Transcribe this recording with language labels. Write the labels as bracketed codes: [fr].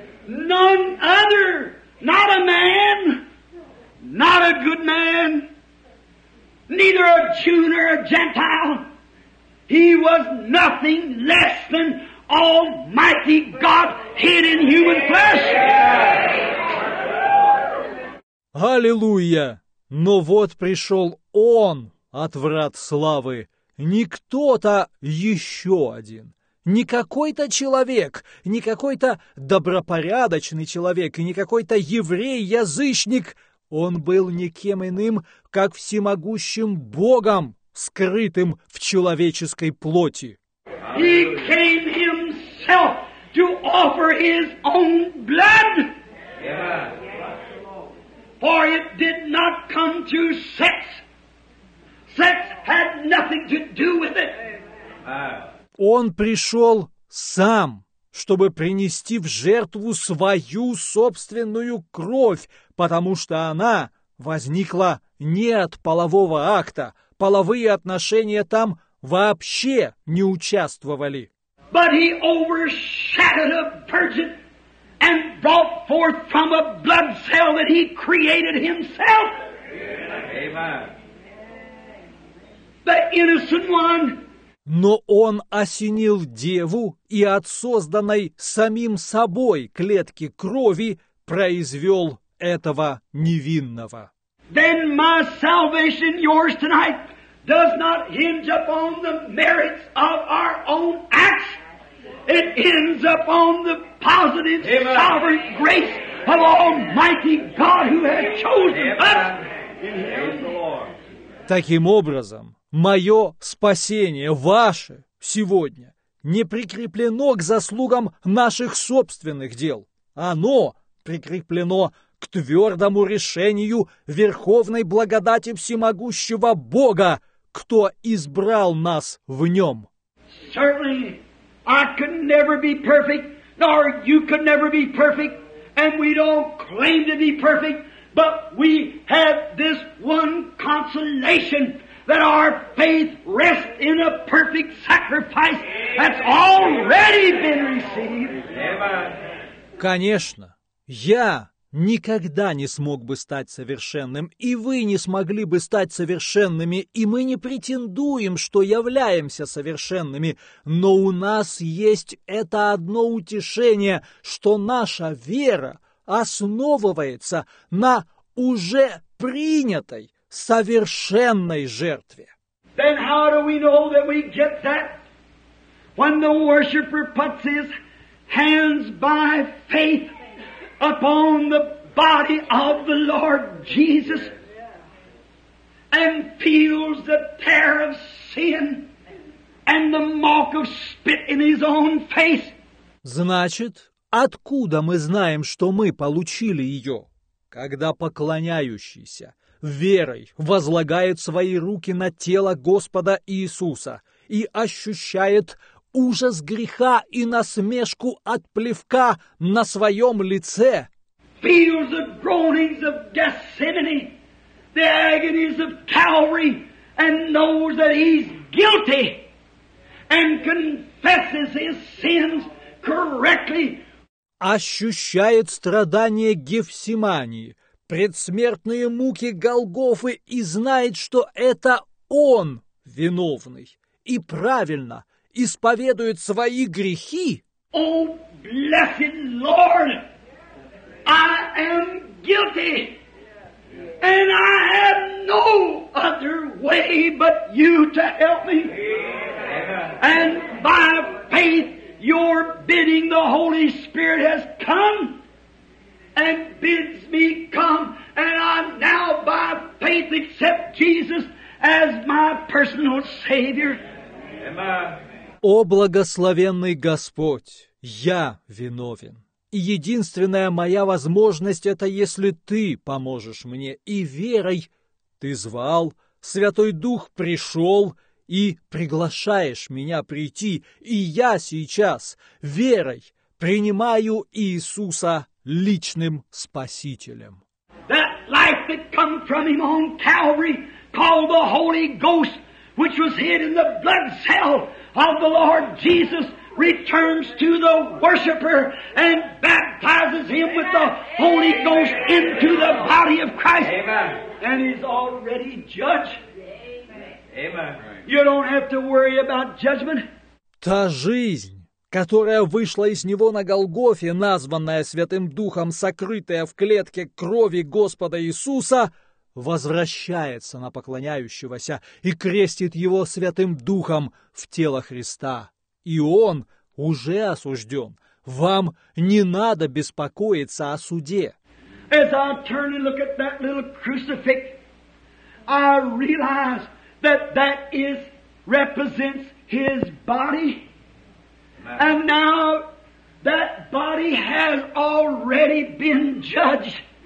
[en] none other. Not a man, not a good man, neither a Jew nor a Gentile. He was nothing less than Almighty God hid in human flesh. [ru] Аллилуйя! Но вот пришел Он от врат славы, не кто-то еще один. Не какой-то человек, не какой-то добропорядочный человек и не какой-то еврей-язычник. Он был никем иным, как всемогущим Богом, скрытым в человеческой плоти. [en] He came himself to offer his own blood. For it did not come to sex. Sex had nothing to do with it. [ru] Он пришел сам, чтобы принести в жертву свою собственную кровь, потому что она возникла не от полового акта. Половые отношения там вообще не участвовали. [en] But he overshadowed a virgin and brought forth from a blood cell that he created himself. Amen. The innocent one. [ru] Но он осенил деву и от созданной самим собой клетки крови произвел этого невинного. [en] Then my salvation, yours tonight, does not hinge upon the merits of our own acts. It hinges upon the positive, Amen. Sovereign grace of Almighty God who has chosen us. [ru] Таким образом, мое спасение, ваше, сегодня, не прикреплено к заслугам наших собственных дел. Оно прикреплено к твердому решению верховной благодати всемогущего Бога, кто избрал нас в нем. [en] Certainly, I could never be perfect, nor you could never be perfect, and we don't claim to be perfect, but we have this one consolation. That our faith rests in a perfect sacrifice that's already been received. [ru] Конечно, я никогда не смог бы стать совершенным, и вы не смогли бы стать совершенными, и мы не претендуем, что являемся совершенными, но у нас есть это одно утешение, что наша вера основывается на уже принятой совершенной жертве. [en] Then how do we know that we get that? When the worshiper puts his hands by faith upon the body of the Lord Jesus and feels the tear of sin and the mock of spit in his own face. [ru] Значит, откуда мы знаем, что мы получили ее? Когда поклоняющийся верой возлагает свои руки на тело Господа Иисуса и ощущает ужас греха и насмешку от плевка на своем лице. [en] Feels the groanings of Gethsemane, the agonies of Calvary, and knows that he's guilty and confesses his sins correctly. [ru] Ощущает страдания Гефсимании, предсмертные муки Голгофы и знает, что это он виновный, и правильно исповедует свои грехи. [en] О, blessed Lord, I am guilty, and I have no other way but you to help me. And by faith, your bidding the Holy Spirit has come. And bids me come, and I now by faith accept Jesus as my personal Savior. [ru] О благословенный Господь, я виновен. Единственная моя возможность — это если Ты поможешь мне и верой. Ты звал, Святой Дух пришел и приглашаешь меня прийти, и я сейчас верой принимаю Иисуса личным спасителем. [en] That life that come from him on Calvary, called the Holy Ghost, which was hid in the blood cell of the Lord Jesus, returns to the worshiper and baptizes him Amen. With the Holy Amen. Ghost into the body of Christ. Amen. And he's already judged. Amen. You don't have to worry about judgment. [ru] Та жизнь, которая вышла из него на Голгофе, названная Святым Духом, сокрытая в клетке крови Господа Иисуса, возвращается на поклоняющегося и крестит его Святым Духом в тело Христа. И он уже осужден. Вам не надо беспокоиться о суде. [en] As I turn and look at that little crucifix, I realize that that is, represents his body. And now that body has already been judged.